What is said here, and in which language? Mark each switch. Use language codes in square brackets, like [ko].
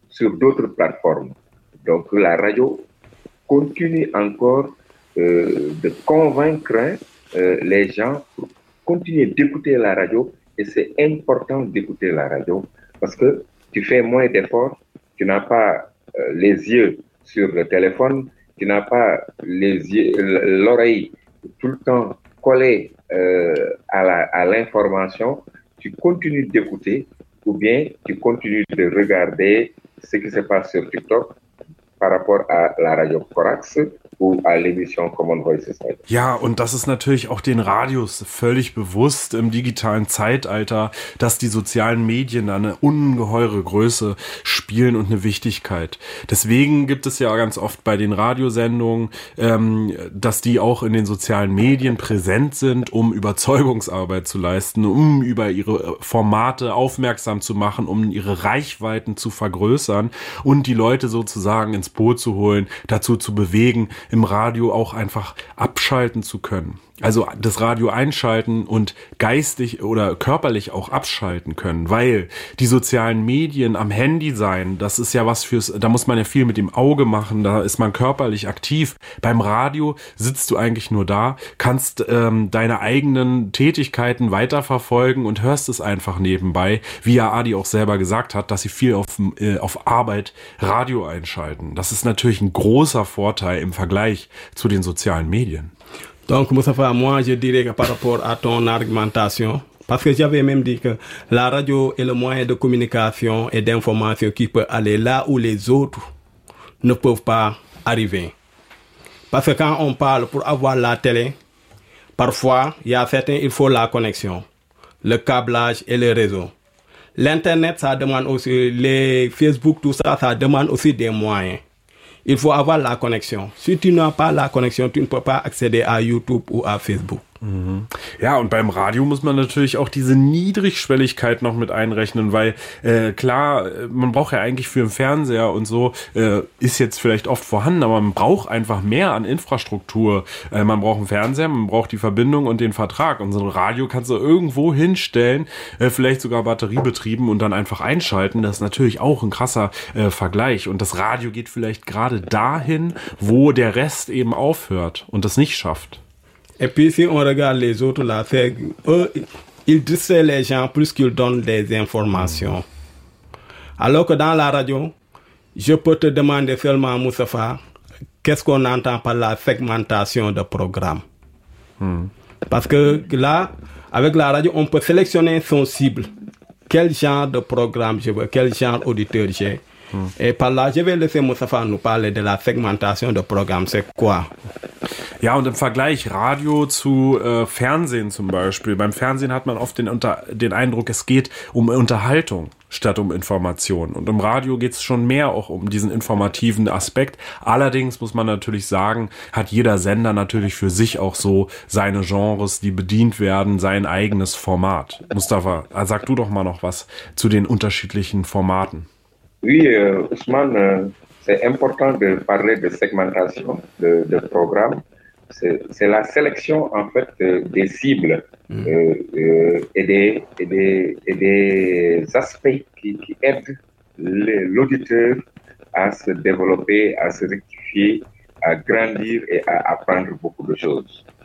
[fr] sur d'autres plateformes. Donc la radio continue encore de convaincre les gens pour continuer d'écouter la radio, et c'est important d'écouter la radio parce que tu fais moins d'efforts, tu n'as pas les yeux sur le téléphone, tu n'as pas les yeux, l'oreille tout le temps collée à l'information, tu continues d'écouter ou bien tu continues de regarder ce qui se passe sur TikTok par rapport à la radio Corax ou à l'émission Common Voice Society. [de] Ja, und das ist natürlich auch den Radios völlig bewusst im digitalen Zeitalter, dass die sozialen Medien da eine ungeheure Größe spielen und eine Wichtigkeit. Deswegen gibt es ja ganz oft bei den Radiosendungen, dass die auch in den sozialen Medien präsent sind, um Überzeugungsarbeit zu leisten, um über ihre Formate aufmerksam zu machen, um ihre Reichweiten zu vergrößern und die Leute sozusagen ins Boot zu holen, dazu zu bewegen, im Radio auch einfach abschalten zu können. Also das Radio einschalten und geistig oder körperlich auch abschalten können, weil die sozialen Medien am Handy sein, das ist ja was fürs, da muss man ja viel mit dem Auge machen, da ist man körperlich aktiv. Beim Radio sitzt du eigentlich nur da, kannst deine eigenen Tätigkeiten weiterverfolgen und hörst es einfach nebenbei, wie ja Adi auch selber gesagt hat, dass sie viel auf Arbeit Radio einschalten. Das ist natürlich ein großer Vorteil im Vergleich zu den sozialen Medien. [fr] Donc, Moustapha, moi, je dirais que par rapport à ton argumentation, parce que j'avais même dit que la radio est le moyen de communication et d'information qui peut aller là où les autres ne peuvent pas arriver. Parce que quand on parle pour avoir la télé, parfois, il y a certains, il faut la connexion, le câblage et le réseau. L'Internet, ça demande aussi, les Facebook, tout ça, ça demande aussi des moyens. Il faut avoir la connexion. Si tu n'as pas la connexion, tu ne peux pas accéder à YouTube ou à Facebook. [de] Ja, und beim Radio muss man natürlich auch diese Niedrigschwelligkeit noch mit einrechnen, weil klar, man braucht ja eigentlich für den Fernseher und so, ist jetzt vielleicht oft vorhanden, aber man braucht einfach mehr an Infrastruktur. Man braucht einen Fernseher, man braucht die Verbindung und den Vertrag. Und so ein Radio kannst du irgendwo hinstellen, vielleicht sogar batteriebetrieben und dann einfach einschalten. Das ist natürlich auch ein krasser Vergleich. Und das Radio geht vielleicht gerade dahin, wo der Rest eben aufhört und das nicht schafft. [fr] Et puis si on regarde les autres là, c'est, eux, ils distraient les gens plus qu'ils donnent des informations. Alors que dans la radio, je peux te demander seulement, Moustapha, qu'est-ce qu'on entend par la segmentation de programme. Parce que là, avec la radio, on peut sélectionner son cible. Quel genre de programme je veux, quel genre d'auditeur j'ai. Et par là, je vais laisser Moustapha nous parler de la segmentation de programme, c'est quoi? [de] Ja, und im Vergleich Radio zu Fernsehen zum Beispiel. Beim Fernsehen hat man oft den Eindruck, es geht um Unterhaltung statt um Information. Und im Radio geht es schon mehr auch um diesen informativen Aspekt. Allerdings muss man natürlich sagen, hat jeder Sender natürlich für sich auch so seine Genres, die bedient werden, sein eigenes Format. Moustapha, sag du doch mal noch was zu den unterschiedlichen Formaten. [fr] Oui, Ousmane, c'est important de parler de segmentation de programme. C'est la sélection, en fait, des cibles et des aspects qui aident l'auditeur à se développer, à se rectifier, à grandir et à apprendre beaucoup de choses.